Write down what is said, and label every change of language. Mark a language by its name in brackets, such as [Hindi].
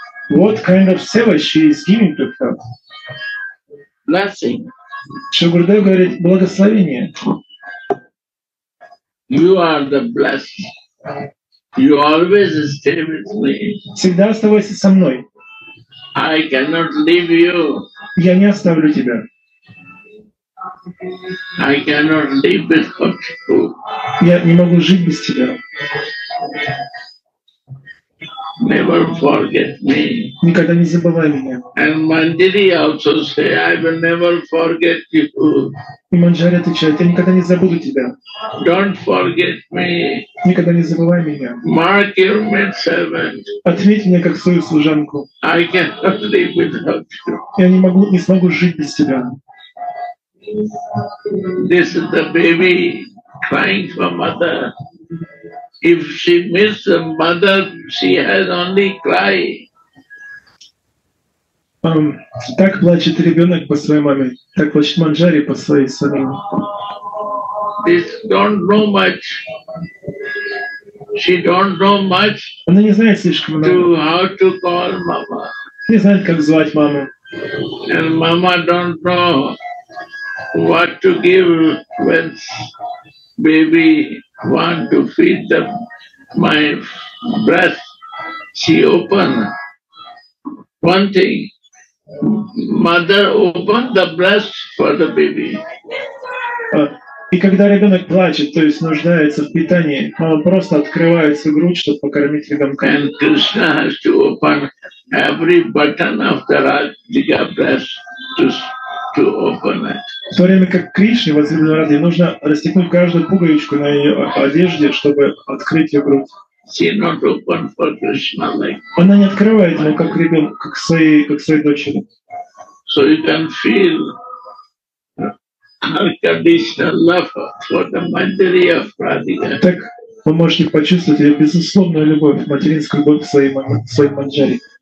[English] What kind of seva she is giving to her? Blessing. [Russian] Шри Гурудев говорит, благословение. [English] You are the blessed. You always stay with me. [Russian] Всегда оставайся со мной. [English] I cannot leave you. [Russian] Я не оставлю тебя. [English] I cannot live without you. [Russian] Я не могу жить без тебя. [English] Never forget me. [Russian] Никогда не забывай меня. [English] And Manjari also say, I will never forget you. [Russian] И Манджари отвечает, я никогда не забуду тебя. [English] Don't forget me. [Russian] Никогда не забывай меня. [English] Mark your maidservant. [Russian] Отметь меня как свою служанку. [English] I cannot live without you. [Russian] Я не смогу жить без тебя. [English] This is the baby crying for mother. If she misses the mother, she has only cry. [Russian] Так плачет ребенок по своей маме, так плачет Манджари по своей сыну. [English] This don't know much. She don't know much. [Russian] Она не знает слишком много. [English] To how to call mama. [Russian] Не знает, как звать маму. [English] And mama don't know what to give when baby want to feed the my breast. She open one thing. Mother open the breast for the baby. [Russian] И когда ребенок плачет, то есть нуждается в питании, мама просто открывает свою грудь, чтобы покормить ребенка. [English] And Krishna has to open every button of the Radhika breast to open it. [Russian] В то время как Кришне, возлюбленный Радхи, нужно расстегнуть каждую пуговичку на ее одежде, чтобы открыть ее грудь. [English] She not open for Krishna like. [Russian] Она не открывает ему как ребенок, как своей дочери. [English] So you can feel unconditional love for the Manjari of Radhika. [Russian] Так вы можете почувствовать ее безусловную любовь, материнскую любовь к своей Манджари.